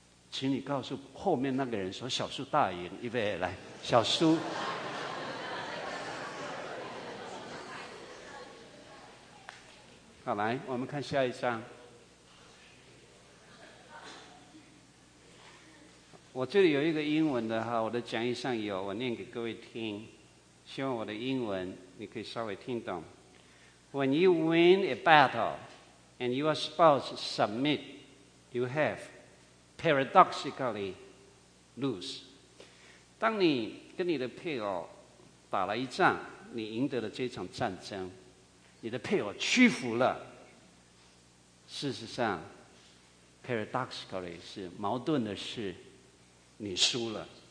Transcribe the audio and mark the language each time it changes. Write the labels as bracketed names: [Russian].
[Chinese] 请你告诉后面那个人说小输大赢，预备来，小输好，来我们看下一章。我这里有一个英文的哈，我的讲义上有，我念给各位听，希望我的英文你可以稍微听懂。 [English] When you win a battle and your spouse submit, you have paradoxically lose. [Chinese] 当你跟你的配偶打了一仗，你赢得了这场战争，你的配偶屈服了，事实上 paradoxically 是矛盾的是你输了。